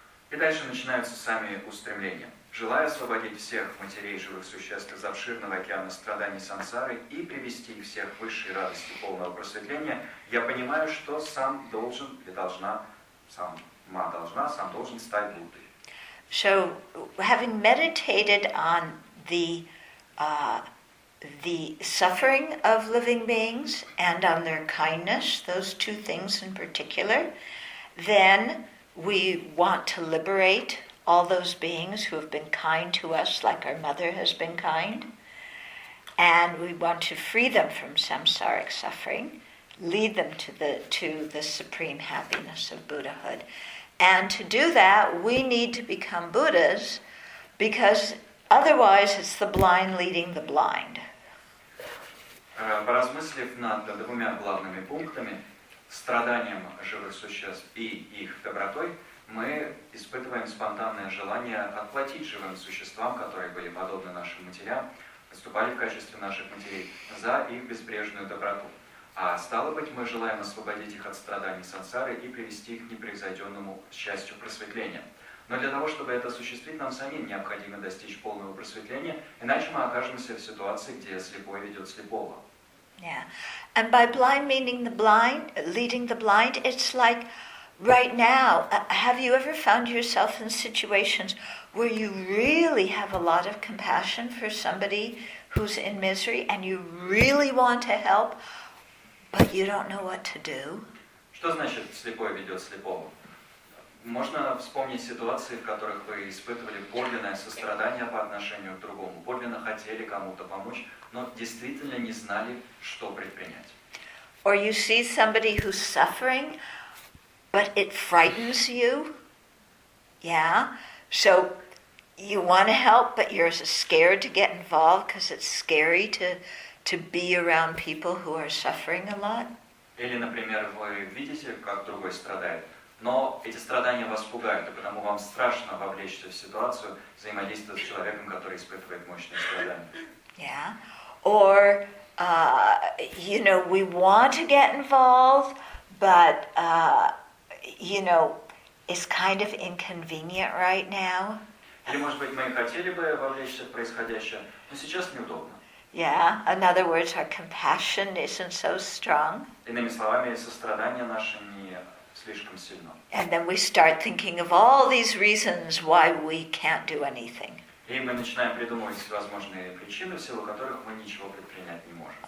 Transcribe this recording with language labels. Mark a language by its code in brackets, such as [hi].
[ru] И дальше начинаются сами устремления. Желаю освободить всех матерей живых существ из обширного океана страданий сансары и привести их всех к высшей радости полного просветления, я понимаю, что сам должен и должна, сам ма должна, сам должен стать Буддой. [en] So, having meditated on the suffering of living beings and on their kindness, those two things in particular, then we want to liberate all those beings who have been kind to us, like our mother has been kind, and we want to free them from samsaric suffering, lead them to the supreme happiness of Buddhahood. And to do that, we need to become Buddhas, because otherwise it's the blind leading the blind. [ru] Поразмыслив над двумя главными пунктами, страданием живых существ и их добротой, мы испытываем спонтанное желание отплатить живым существам, которые были подобны нашим матерям, выступали в качестве наших матерей, за их безбрежную доброту. А стало быть, мы желаем освободить их от страданий сансары и привести их к непревзойденному счастью просветления. Но для того, чтобы это осуществить, нам самим необходимо достичь полного просветления, иначе мы окажемся в ситуации, где слепой ведет слепого. [en] Yeah. And by blind meaning the blind, leading the blind, it's like right now, have you ever found yourself in situations where you really have a lot of compassion for somebody who's in misery and you really want to help? But you don't know what to do. [ru] Что значит слепой ведет слепого? Можно вспомнить ситуации, в которых вы испытывали подлинное сострадание по отношению к другому, подлинно хотели кому-то помочь, но действительно не знали, что предпринять. [en] Or you see somebody who's suffering, but it frightens you. Yeah. So you want to help, but you're scared to get involved because it's scary to be around people who are suffering a lot. [ru] Или, например, вы видите, как другой страдает, но эти страдания вас пугают, и потому вам страшно вовлечься в ситуацию, взаимодействовать с человеком, который испытывает мощные страдания. [en] Yeah. Or, you know, we want to get involved, but, you know, it's kind of inconvenient right now. [ru] Или, может быть, мы хотели бы вовлечься в происходящее, но сейчас неудобно. [en] Yeah, in other words, our compassion isn't so strong. [ru] Иными словами, сострадание наше не слишком сильно. [en] And then we start thinking of all these reasons why we can't do anything. [ru] И мы начинаем придумывать всевозможные причины, в силу которых мы ничего предпринять не можем.